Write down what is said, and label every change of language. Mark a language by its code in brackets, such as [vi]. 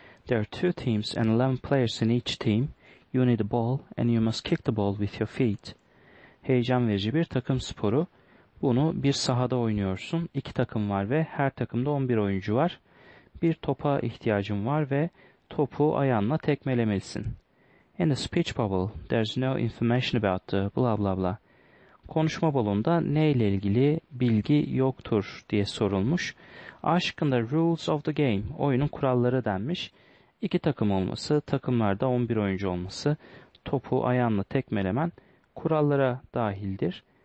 [en] There are two teams and 11 players in each team. You need a ball and you must kick the ball with your feet. [tr] Heyecan verici bir takım sporu. Bunu bir sahada oynuyorsun. İki takım var ve her takımda 11 oyuncu var. Bir topa ihtiyacın var ve topu ayağınla tekmelemelisin. [en] In the speech bubble, there's no information about the blah blah blah. [tr] Konuşma balonunda ne ile ilgili bilgi yoktur diye sorulmuş. A şıkkında [en] rules of the game, [tr] oyunun kuralları denmiş. İki takım olması, takımlarda 11 oyuncu olması, topu ayağınla tekmelemen kurallara dahildir.